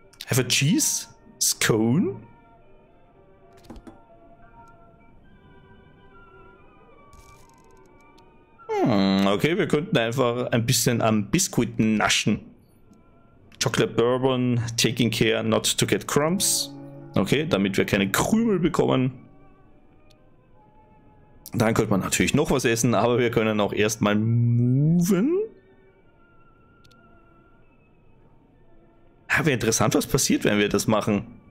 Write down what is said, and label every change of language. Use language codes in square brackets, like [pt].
[en] Have a cheese? Scone? [de] Okay, wir könnten einfach ein bisschen am Biscuit naschen. [en] Chocolate Bourbon, taking care not to get crumbs. [de] Okay, damit wir keine Krümel bekommen. Dann könnte man natürlich noch was essen, aber wir können auch erstmal moven. Ja, wäre interessant, was passiert, wenn wir das machen.